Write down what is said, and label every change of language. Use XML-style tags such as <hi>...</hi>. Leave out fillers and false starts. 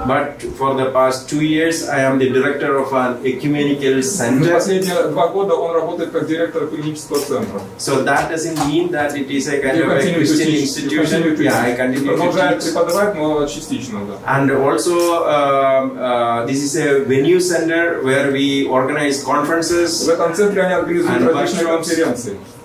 <en>But for the past 2 years, I am the director of an ecumenical center.</en> <ru>За последние 2 года он работает как директор экуменического центра.</ru> <en>So that doesn't mean that it is a kind of a Christian institution. Yeah, I continue to teach.</en> <ru>Продолжает преподавать, но частично, да.</ru> <en>And also, this is a venue center where we organize conferences.</en> <ru>В этом центре они организуют различные конференции.</ru>